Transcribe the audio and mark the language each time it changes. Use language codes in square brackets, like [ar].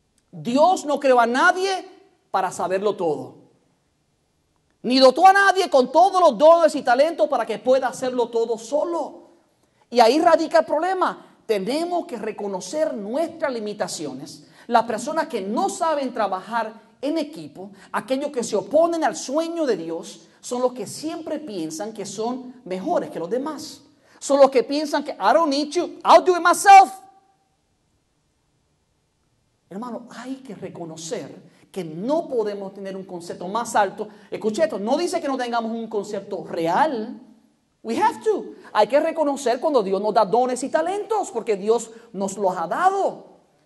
[es] Dios no creó a nadie para saberlo todo, ni dotó a nadie con todos los dones y talentos para que pueda hacerlo todo solo. Y ahí radica el problema. Tenemos que reconocer nuestras limitaciones. Las personas que no saben trabajar en equipo, aquellos que se oponen al sueño de Dios, son los que siempre piensan que son mejores que los demás. Son los que piensan que [en] I don't need you, I'll do it myself. [es] Hermano, hay que reconocer que no podemos tener un concepto más alto. Escuche esto, no dice que no tengamos un concepto real. [en] We have to. [es] Hay que reconocer cuando Dios nos da dones y talentos, porque Dios nos los ha dado.